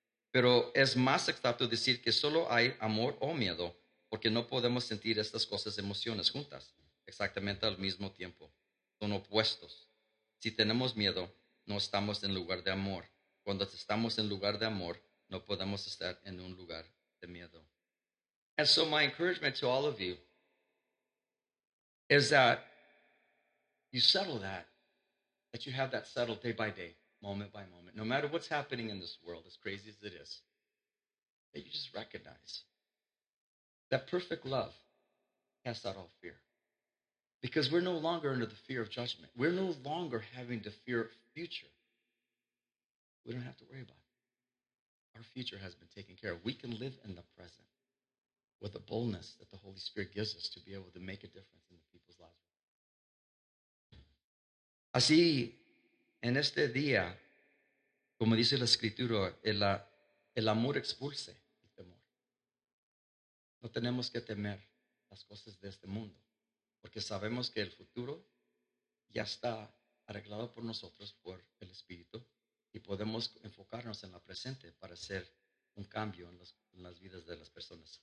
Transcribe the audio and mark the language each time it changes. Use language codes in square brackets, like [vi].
[es] Pero es más exacto decir que solo hay amor o miedo, porque no podemos sentir estas cosas, emociones juntas, exactamente al mismo tiempo. Son opuestos. Si tenemos miedo, no estamos en lugar de amor. Cuando estamos en lugar de amor, no podemos estar en un lugar de miedo. [en] And so my encouragement to all of you is that you settle that you have that settled day by day, moment by moment, no matter what's happening in this world, as crazy as it is, that you just recognize that perfect love casts out all fear. Because we're no longer under the fear of judgment. We're no longer having to fear future. We don't have to worry about it. Our future has been taken care of. We can live in the present with the boldness that the Holy Spirit gives us to be able to make a difference in the people's lives. [es] Así, en este día, como dice la Escritura, el amor expulse el temor. No tenemos que temer las cosas de este mundo, porque sabemos que el futuro ya está arreglado por nosotros, por el Espíritu, y podemos enfocarnos en la presente para hacer un cambio en las vidas de las personas.